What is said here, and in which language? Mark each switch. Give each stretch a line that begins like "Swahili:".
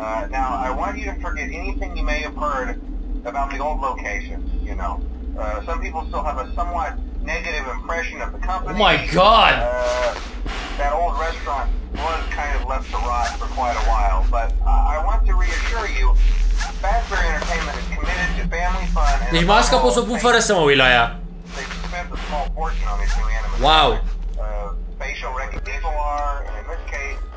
English: Now, I want you to forget anything you may have heard about the old location, you know. Some people still have a somewhat negative impression of the company. Oh my god! That old restaurant was kind of left to rot for quite a while, but I want to reassure you, Fazbear Entertainment is committed to family fun and...
Romanian: Deci masca poți să o pun fără să mă uit la ea.
English: They've spent a small portion on these new animals. Wow. Facial recognition AR, and in this case...